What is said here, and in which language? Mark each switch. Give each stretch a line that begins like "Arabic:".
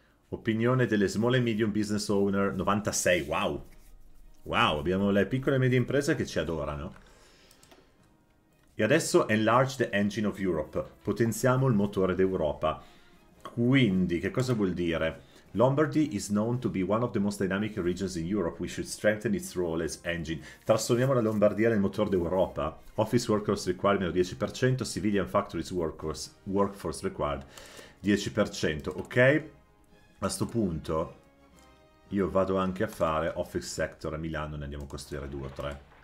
Italian: Opinione delle
English: Small and Medium Business Owner,
Italian: 96. Wow, abbiamo le piccole e medie imprese che ci adorano. E adesso
English: Enlarge the Engine of Europe.
Italian: Potenziamo il motore d'Europa. Quindi, che cosa vuol dire?
English: Lombardy is known to be one of the most dynamic regions in Europe. We should strengthen its role as engine.
Italian: Trasformiamo la Lombardia nel motore d'Europa.
English: Office workers required
Italian: meno 10%.
English: Civilian factories workforce required 10%. Ok?
Italian: A sto punto io vado anche a fare office sector a Milano. Ne andiamo a costruire 2 o 3.